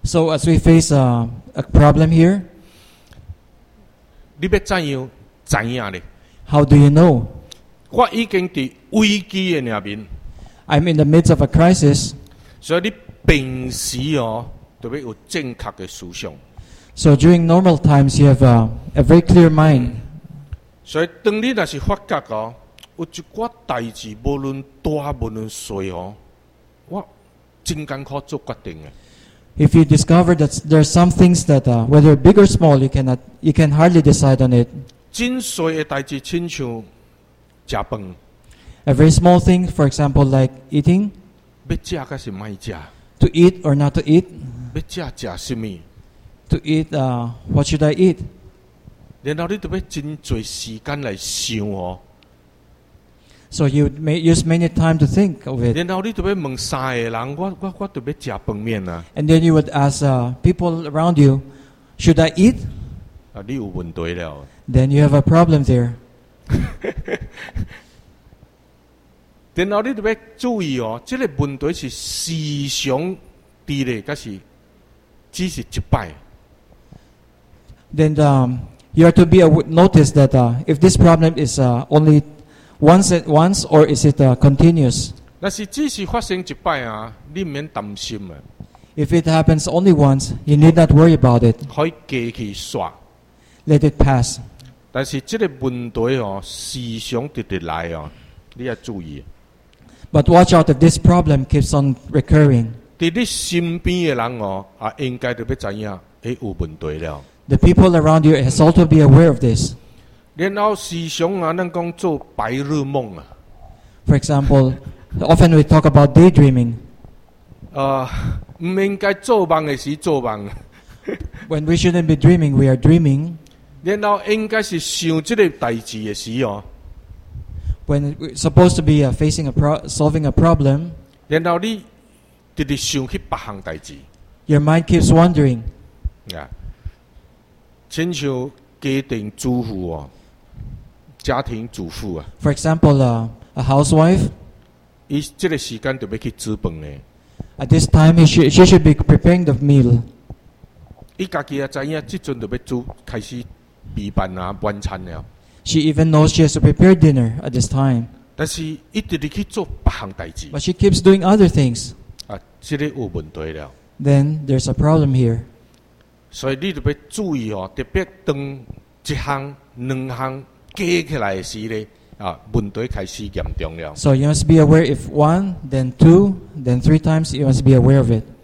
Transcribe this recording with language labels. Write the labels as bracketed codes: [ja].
[en] as we face a problem here, how do you know? I'm in the midst of a crisis. So, you [nan] 平时哦特别有正确的思想。 [en] So during normal times, you have a very clear mind. [nan] 所以当你那是发觉哦，有一挂代志，无论大无论小哦，我真艰苦做决定的。 [en] If you discover that there are some things that, whether big or small, you can hardly decide on it. [nan] 真小的代志，亲像吃饭。 [en] A very small thing, for example, like eating. [nan] 要吃还是卖吃 [en] ？To eat or not to eat? [nan] 要吃吃什么 [en] ？To eat, what should I eat? [nan] 然后你得要真多时间来想哦。 [en] So you may use many time to think of it. [nan] 然后你得要问三个人，我得要吃饭面啊。 [en] And then you would ask people around you, Should I eat? [nan] 啊，你有问题了。 [en] Then you have a problem there. [nan] 然后你特别注意哦，这个问题是时常滴咧，还是只是一摆？ [en] Then you are to be notice that if this problem is only once at once or is it continuous? [nan] 那是只是发生一摆啊，你免担心啊。 [en] If it happens only once, you need not worry about it. [nan] 可以继续刷。 [en] Let it pass. [nan] 但是这个问题哦，时常滴滴来哦，你要注意。 [en] But watch out if this problem keeps on recurring. [nan] 在你身边的人哦，啊，应该都要知影，哎，有问题了。 [en] The people around you has also be aware of this. [nan] 然后时常啊，咱讲做白日梦啊。 [en] For example, often we talk about daydreaming. [nan] 唔应该做梦的时做梦。 [en] When we shouldn't be dreaming, we are dreaming. [nan] 然后应该是想这个代志的时哦。 [en] When we're supposed to be facing a solving a problem, [nan] 然后你直直想去别项代志。 [en] Your mind keeps wandering. [nan] 呀，亲像家庭主妇哦，家庭主妇啊。 [en] For example, a housewife. [nan] 伊这个时间就要去煮饭嘞。 [en] At this time, she should be preparing the meal. [nan] 伊家己也知影，即阵就要煮，开始备办啊晚餐了。 [en] She even knows she has to prepare dinner at this time. [nan] 但是一直在去做别项代志。 [en] But she keeps doing other things. [nan] 啊，这里有问题了。 [en] Then there's a problem here. [nan] 所以你就要注意哦，特别当一项、两项加起来的时咧，啊，问题开始严重了。 [en] So you must be aware if one, then two, then three times you must be aware of it.